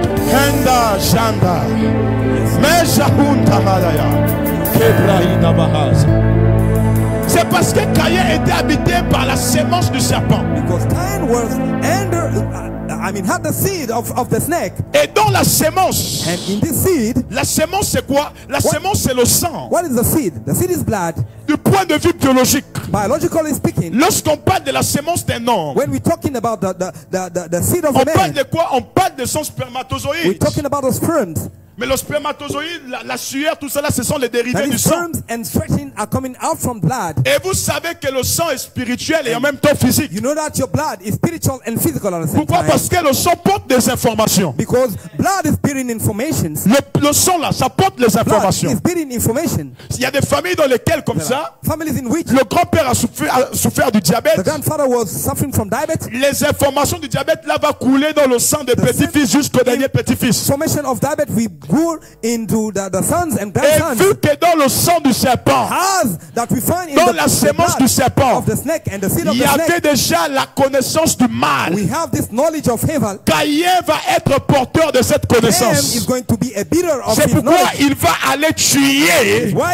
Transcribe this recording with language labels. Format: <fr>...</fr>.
<fr>Henda Janda Mejahunta Madaya Kebrahina Bahasa. C'est parce que Caïn était habité par la semence du serpent.</fr> <en>Because Caïn was under had the seed of the snake.</en> <fr>Et dans la semence.</fr> <en>And in this seed.</en> <fr>La semence c'est quoi? La semence c'est le sang.</fr> <en>What is the seed? The seed is blood.</en> <fr>Du point de vue biologique.</fr> <en>Biologically speaking.</en> <fr>Lorsqu'on parle de la semence d'un homme.</fr> <en>When we talking about the seed of a man.</en> <fr>On parle de quoi? On parle de son spermatozoïde.</fr> <en>We talking about the sperm.</en> <fr>Mais le spermatozoïde, la sueur, tout cela, ce sont les dérivés du sang.</fr> <en>And sweating are coming out from blood.</en> <fr>Et vous savez que le sang est spirituel et en même temps physique.</fr> <en>You know that your blood is spiritual and physical at the same</en> <fr>pourquoi</fr> <en>time.</en> <fr>Parce que le sang porte des informations.</fr> <en>Because blood is bearing information.</en> <fr>Le sang là, ça porte les informations.</fr> <en>Blood is bearing information.</en> <fr>Il y a des familles dans lesquelles comme ça,</fr> <en>families in which</en> <fr>le grand-père a souffert du diabète.</fr> <en>The grandfather was suffering from diabetes.</en> <fr>Les informations du diabète là va couler dans le sang des petits-fils jusqu'au dernier petit-fils.</fr> <en>Information of diabetes we grew into the sons and grandsons.</en> <fr>Et vu que dans le sang du serpent,</fr> <en>that we find in</en> <fr>dans</fr> <en>the,</en> <fr>la semence</fr> <en>the blood</en> <fr>du serpent,</fr> <en>of the snake and the seed of</en> <fr>il y avait</fr> <en>the snake,</en> <fr>déjà la connaissance du mal.</fr> <en>We have this knowledge of evil.</en> <fr>Caïn va être porteur de cette connaissance.</fr> <en>Caïn is going to be a bearer of</en> <fr>c'est</fr> <en>his</en> <fr>pourquoi</fr> <en>knowledge.</en> <fr>Il va aller tuer</fr>